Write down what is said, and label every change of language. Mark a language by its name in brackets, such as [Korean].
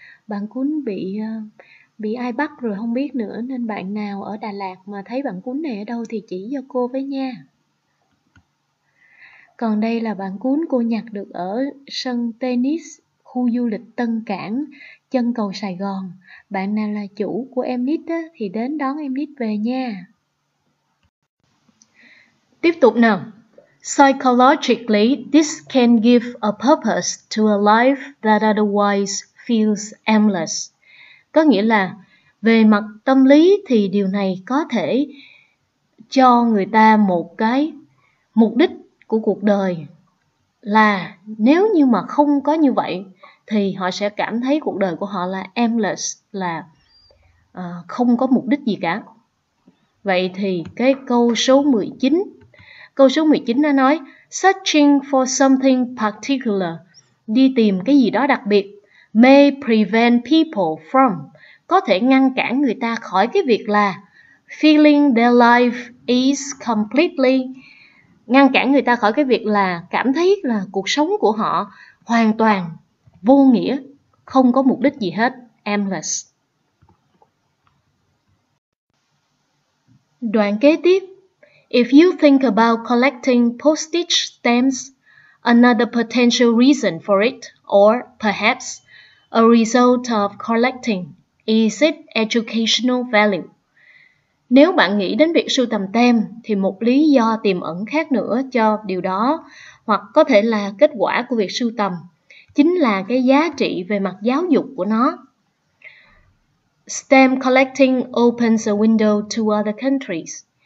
[Vietnamese] Bản cuốn bị ai bắt rồi không biết nữa, nên bạn nào ở Đà Lạt mà thấy bản cuốn này ở đâu thì chỉ cho cô với nha. Còn đây là bản cuốn cô nhặt được ở sân tennis khu du lịch Tân Cảng, chân cầu Sài Gòn. Bạn nào là chủ của em nít á, thì đến đón em nít về nha. Tiếp tục nào. [English] Psychologically, this can give a purpose to a life that otherwise feels aimless. [Vietnamese] Có nghĩa là về mặt tâm lý thì điều này có thể cho người ta một cái mục đích của cuộc đời, là nếu như mà không có như vậy thì họ sẽ cảm thấy cuộc đời của họ là aimless, là không có mục đích gì cả. Vậy thì cái câu số 19 nó nói [English] searching for something particular, [Vietnamese] đi tìm cái gì đó đặc biệt, [English] may prevent people from, [Vietnamese] có thể ngăn cản người ta khỏi cái việc là [English] feeling their life is completely, [Vietnamese] ngăn cản người ta khỏi cái việc là cảm thấy là cuộc sống của họ hoàn toàn vô nghĩa, không có mục đích gì hết, aimless. Đoạn kế tiếp, [English] if you think about collecting postage stamps, another potential reason for it, or perhaps a result of collecting, is it educational value? [Vietnamese] Nếu bạn nghĩ đến việc sưu tầm tem thì một lý do tiềm ẩn khác nữa cho điều đó, hoặc có thể là kết quả của việc sưu tầm, chính là cái giá trị về mặt giáo dục của nó. [English] Stamp collecting opens a window to other countries.